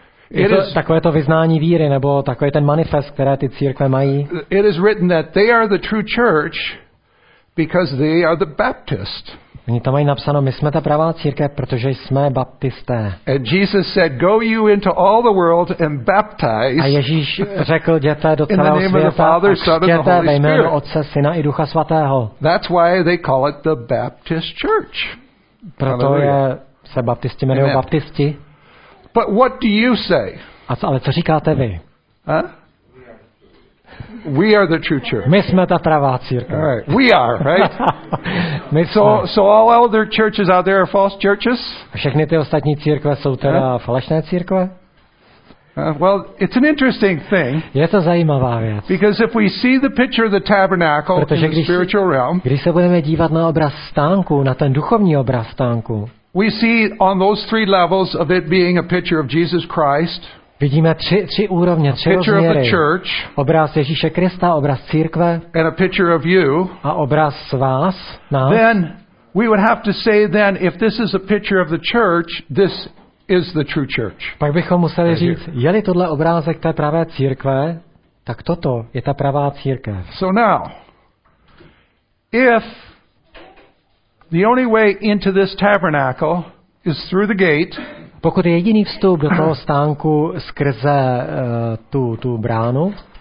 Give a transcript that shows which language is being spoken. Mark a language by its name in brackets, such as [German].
[Czech] Je to takové to vyznání víry nebo takový ten manifest, které ty církve mají. [English] It is written that they are the true church because they are the Baptist. [Czech] Oni tam mají napsáno, my jsme ta pravá církev, protože jsme baptisté. [English] And Jesus said, go you into all the world and baptize. [Czech] A Ježíš řekl, jděte do celého světa a křtěte ve jménu Otce, Syna i Ducha Svatého. [English] That's why they call it the Baptist church. [Czech] Proto je se baptisti jmenují baptisti. [English] But what do you say? [Czech] Ale co říkáte vy? [English] Huh? We are the true church. [Czech] My jsme ta pravá církev. [English] All right. We are, right? [Czech] My [English] so all other churches out there are false churches? [Czech] Všechny ty ostatní církve jsou teda falešné církve? [English] Well, it's an interesting thing. [Czech] Je to zajímavá věc. [English] Because if we see the picture of the tabernacle in the spiritual realm, [Czech] když se budeme dívat na obraz stánku, na ten duchovní obraz stánku, [English] we see on those three levels of it being a picture of Jesus Christ. [Czech] Vidíme tři úrovně, tři rozměry. [English] Picture of the church. [Czech] Obraz Ježíše Krista, obraz církve. [English] And a picture of you. [Czech] A obraz vás, nás. [English] Then we would have to say then if this is a picture of the church, this is the true church. [Czech] Pak bychom museli říct, je-li tohle obrázek té pravé církve, tak toto je ta pravá církev. [English] So now, if the only way into this tabernacle is through the gate. [Czech] Pokud je jediný vstup do toho stánku skrze tu bránu.